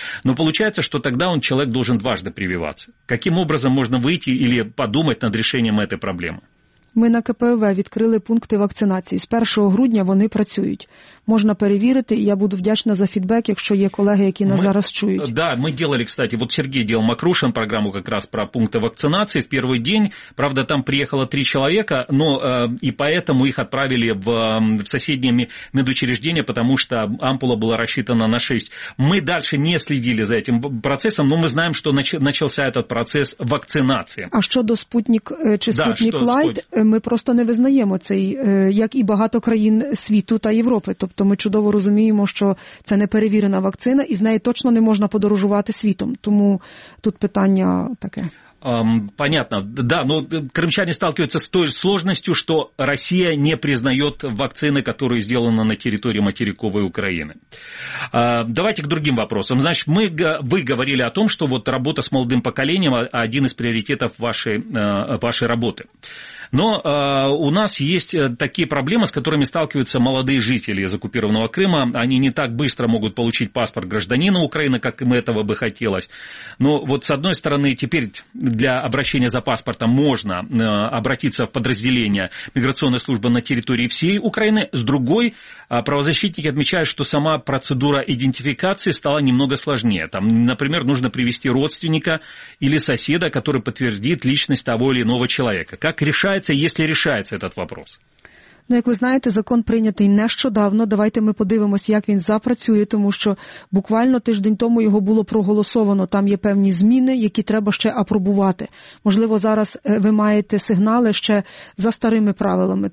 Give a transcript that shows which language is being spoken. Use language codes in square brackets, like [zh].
[ru] Но получается, что тогда он, человек, должен дважды прививаться. Каким образом можно выйти или подумать над решением этой проблемы? [uk] Ми на КПВВ відкрили пункти вакцинації. З 1 грудня вони працюють. Можна перевірити, і я буду вдячна за фідбек, якщо є колеги, які нас зараз чують. [ru] Да, [uk] ми [ru] делали, кстати, вот Сергей делал [uk] Макрушин програму якраз про пункти вакцинації в перший день. Правда, там приїхало 3 чоловіка, [ru] но [uk] і [ru] поэтому [uk] їх відправили в сусіднє медучреждення, [ru] потому що ампула була рассчитана на 6. [uk] Ми далі не слідили за цим процесом, [ru] но [uk] ми знаємо, що почався цей процес вакцинації. А що до Спутник чи Спутник Лайт? Ми просто не визнаємо цей, як і багато країн світу та Європи. Тобто ми чудово розуміємо, що це не перевірена вакцина, і з неї точно не можна подорожувати світом. Тому тут питання таке. [ru] Понятно. Да, но крымчане сталкиваются с той сложностью, что Россия не признает вакцины, которые сделаны на территории материковой Украины. Давайте к другим вопросам. Значит, вы говорили о том, что вот работа с молодым поколением – один из приоритетов вашей работы. Но у нас есть такие проблемы, с которыми сталкиваются молодые жители из оккупированного Крыма. Они не так быстро могут получить паспорт гражданина Украины, как им этого бы хотелось. Но вот с одной стороны, теперь для обращения за паспортом можно обратиться в подразделение миграционной службы на территории всей Украины. С другой, правозащитники отмечают, что сама процедура идентификации стала немного сложнее. Там, например, нужно привести родственника или соседа, который подтвердит личность того или иного человека. Как решать? [uk] Якщо вирішується цей [ru] вопрос? [uk] Ну, як ви знаєте, закон прийнятий нещодавно. Давайте ми подивимось, як він запрацює, тому що буквально тиждень тому його було проголосовано. Там є певні зміни, які треба ще апробувати. Можливо, зараз ви маєте сигнали ще за старими правилами.